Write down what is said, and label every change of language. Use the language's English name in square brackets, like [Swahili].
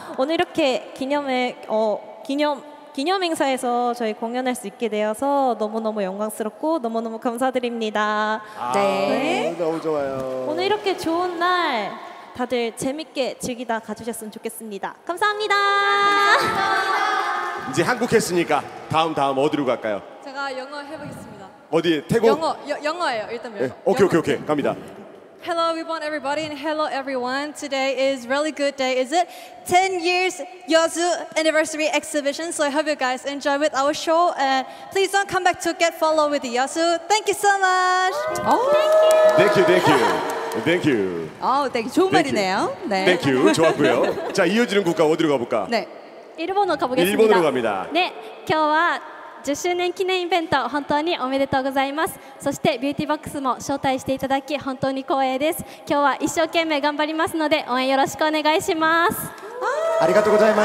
[Korean] 오늘 이렇게 기념의 기념 행사에서 저희 공연할 수 있게 되어서 너무너무 영광스럽고 너무너무 감사드립니다. 아, 네, 너무 좋아요. 오늘 이렇게 좋은 날 다들 재밌게 즐기다 가주셨으면 좋겠습니다. 감사합니다. 이제 한국 했으니까 다음 어디로 갈까요? 제가 영어 해보겠습니다. 어디? 태국? 영어예요. 일단 네. 오케이 갑니다. [English] Hello everyone, everybody, and hello everyone. Today is really good day, is it? 10 years Yeosu anniversary exhibition. So I hope you guys enjoy with our show, and please don't come back to get follow with the Yeosu. Thank you so much. Oh, thank you. Oh, thank you. [Korean] 좋은 말이네요. [English] 네. Thank you. [Korean] 좋았고요. 자, 이어지는 국가 어디로 가볼까? 네. 일본으로 가보겠습니다. 일본으로 갑니다. [Japanese] 네, 今日は 10周年 記念 イベント 本当に おめでとうございます。そして ビューティーボックスも 招待していただき 本当に光栄です。今日は 一生懸命 頑張りますので 応援 よろしくお願いします。ありがとうございます。